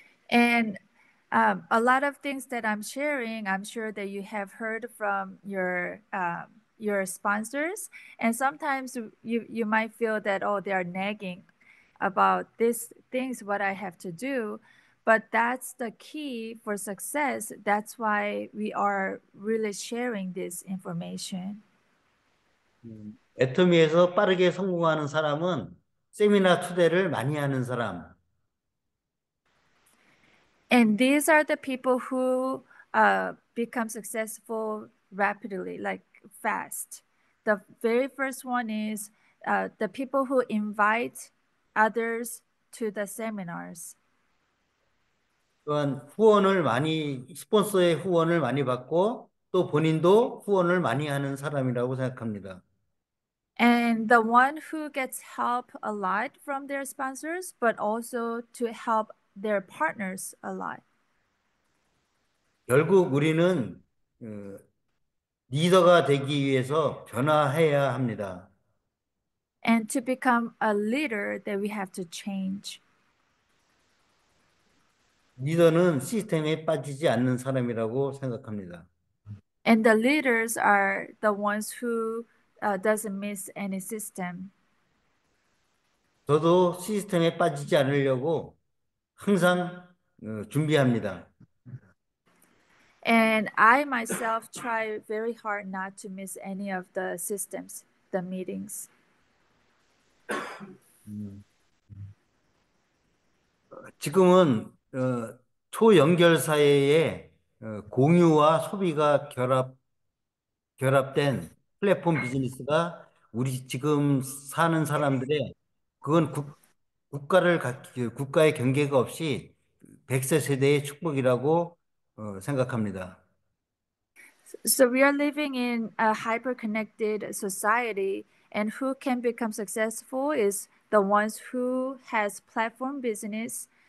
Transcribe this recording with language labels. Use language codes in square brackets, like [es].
[en] And a lot of things that I'm sharing, I'm sure that you have heard from your sponsors. And sometimes you might feel that, oh, they are nagging about these things, what I have to do. But that's the key for success. That's why we are really sharing this information. [ko] 애터미에서 빠르게 성공하는 사람은 세미나 투데이를 많이 하는 사람. [en] And these are the people who become successful rapidly, like fast. The very first one is the people who invite others to the seminars. [ko] 또한 후원을 많이, 스폰서의 후원을 많이 받고 또 본인도 후원을 많이 하는 사람이라고 생각합니다. [en] And the one who gets help a lot from their sponsors, but also to help their partners a lot. [ko] 결국 우리는 리더가 되기 위해서 변화해야 합니다. [en] And to become a leader that we have to change. [ko] 리더는 시스템에 빠지지 않는 사람이라고 생각합니다. [en] And the leaders are the ones who doesn't miss any system. [ko] 저도 시스템에 빠지지 않으려고 항상 준비합니다. [en] And I myself try very hard not to miss any of the systems, the meetings. [ko] 지금은 초연결 사회의 공유와 소비가 결합된 플랫폼 비즈니스가 우리 지금 사는 사람들의 그건 국가의 경계가 없이 100세 세대의 축복이라고 생각합니다. [en] So we are living in a hyper-connected society, and who can become successful is the ones who has platform business.